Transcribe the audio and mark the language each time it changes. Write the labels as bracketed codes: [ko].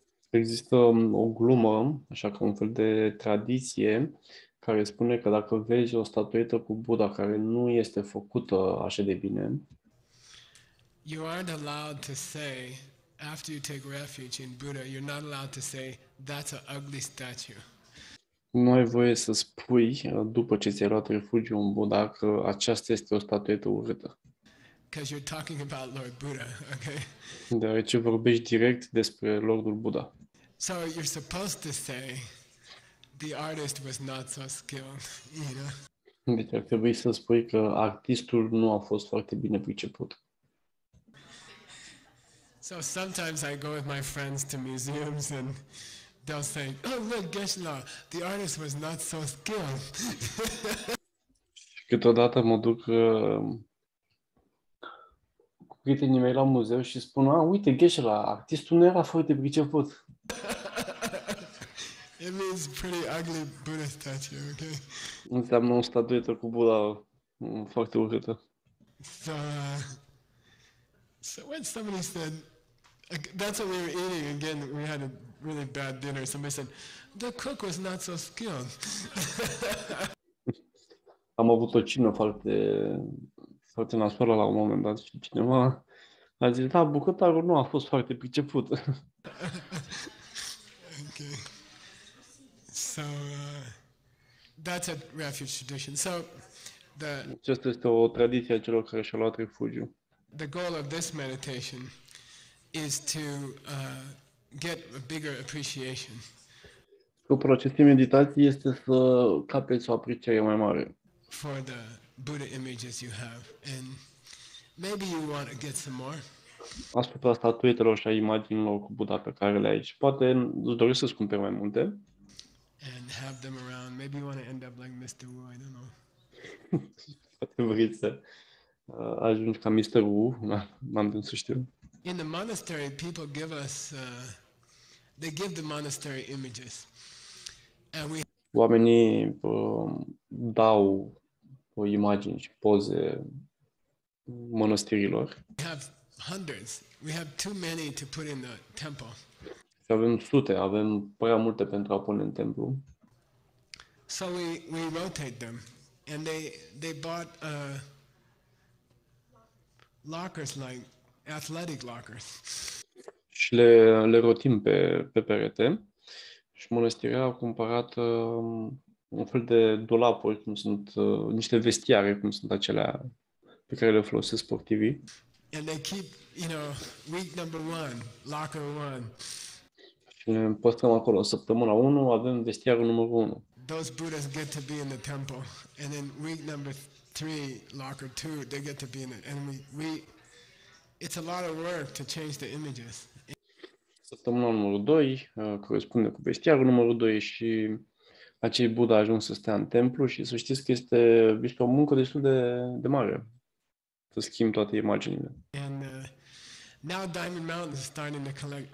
[ro] Există o glumă, așa ca un fel de tradiție, care spune că dacă vezi o statuetă cu Buddha care nu este făcută așa de bine, [en] you aren't allowed to say after you take refuge in Buddha, you're not allowed to say that's an ugly statue. [ro] Nu ai voie să spui după ce ți-ai luat refugiu în Buddha că aceasta este o statuetă urâtă. [en] Because you're talking about Lord Buddha, okay? [ro] Deoarece vorbești direct despre Lordul Buddha. [en] So you're supposed to say the artist was not so skilled, you know? [ro] Deci ar trebui să spui că artistul nu a fost foarte bine priceput. [en] So sometimes I go with my friends to museums and they'll say, "Oh, look, Geshe-la, the artist was not so skilled." [ro] Câteodată mă duc cu prietenii mei la muzeu și spun, "Ah, uite, Geshe-la, artistul nu era foarte priceput." [en] It means pretty ugly Buddha statue, okay? [ro] Înseamnă o statuetă cu Buddha foarte urâtă. [en] So when somebody said, that's what we were eating again, we had a really bad dinner. Somebody said, the cook was not so skilled. [ro] Am avut o cină foarte, foarte nasoală la un moment dat și cineva a zis, da, bucătarul nu a fost foarte priceput. [en] Okay. So that's a refuge tradition. So [ro] acesta este o tradiție a celor care și-au luat refugiu. [en] The goal of this meditation is to get a bigger appreciation. [ro] Scopul acestei meditații este să capeți o apreciere mai mare. [en] For the Buddha images you have and maybe you want to get some more. [ro] Asupra statuetelor și a imaginilor cu Buddha pe care le ai și poate îți dorești să-ți cumperi mai multe. [en] And have them around. Maybe you want to end up like Mr. Wu, I don't know. [ro] Poate vrei să ajungi ca Mr. Wu, n-am de să știu. [en] In the monastery, people give us, they give the monastery images. And we... [ro] Oamenii dau o imagine și poze mănăstirilor. [en] We have hundreds. We have too many to put in the temple. [ro] Avem sute, avem prea multe pentru a pune în templu. [en] So we rotate them and they bought lockers like athletic lockers. [ro] Și le rotim pe perete. Și mănăstirea a cumpărat un fel de dulapuri, cum sunt niște vestiare, cum sunt acelea pe care le folosesc sportivii. [en] And they keep, you know, week number one, locker one. [ro] Ne păstrăm acolo. Săptămâna 1 avem vestiarul numărul 1. [en] Those Buddhas get to be in the temple. And then week number 3, locker 2, they get to be in it. And we it's a lot of work to change the images. [ro] Săptămâna numărul 2 corespunde cu vestiarul numărul 2 și acei Buddha ajung să stea în templu și să știți că este o muncă destul de mare să schimb toate imaginile. [en] And Now Diamond Mountain is starting to collect.